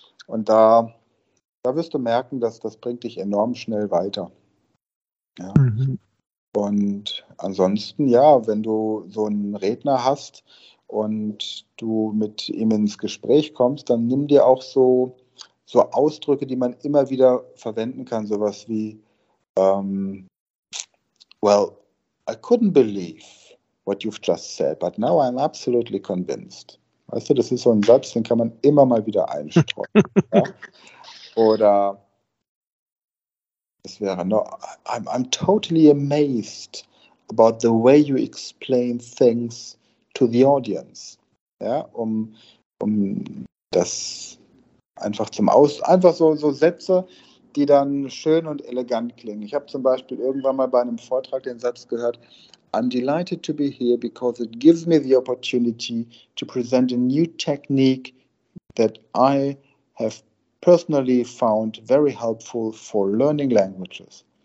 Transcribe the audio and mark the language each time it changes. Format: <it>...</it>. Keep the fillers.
<de>Und da, da wirst du merken, dass das bringt dich enorm schnell weiter. Ja. Mhm. Und ansonsten, ja, wenn du so einen Redner hast, und du mit ihm ins Gespräch kommst, dann nimm dir auch so, so Ausdrücke, die man immer wieder verwenden kann. Sowas wie,</de> <en>um, well, I couldn't believe what you've just said, but now I'm absolutely convinced.</en> <de>Weißt du, das ist so ein Satz, den kann man immer mal wieder einstreuen. ja. Oder es wäre,</de> <en>no, I'm, I'm totally amazed about the way you explain things to the audience.</en> <de>Ja, um, um das einfach zum Aus, einfach so, so Sätze, die dann schön und elegant klingen. Ich habe zum Beispiel irgendwann mal bei einem Vortrag den Satz gehört,</de> <en>I'm delighted to be here because it gives me the opportunity to present a new technique that I have personally found very helpful for learning languages.</en>